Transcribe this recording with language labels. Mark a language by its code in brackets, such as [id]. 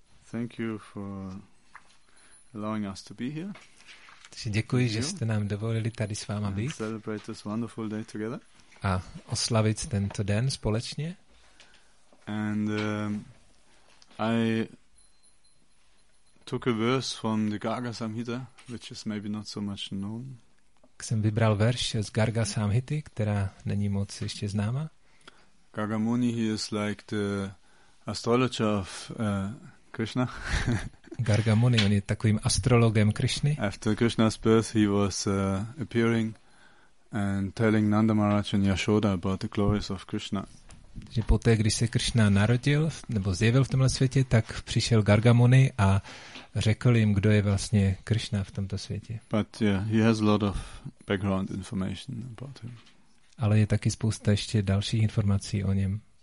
[en] Thank you for allowing us to be here. [cs] Takže děkuji, že jste nám dovolili tady s váma být. [en] And celebrate this wonderful day together. [cs] A oslavit tento den společně. [en] And I took a verse from the Garga Samhita, which is maybe not so much known. [cs] Jsem vybral verš z Garga Samhity, která není moc ještě známa. [en] Garga Muni is like the astrologer of Krishna. [cs] Garga Muni, on je takovým astrologem Krishny. [en] After Krishna's birth, he was appearing and telling Nanda Maharaj and Yashoda about the glories of Krishna. [cs] Že poté, když se Krishna narodil nebo zjevil v tomhle světě, tak přišel Garga Muni a řekl jim, kdo je vlastně Krishna v tomto světě. [en] But yeah, he has a lot of background information about him. [cs] Ale je taky spousta ještě dalších informací o něm.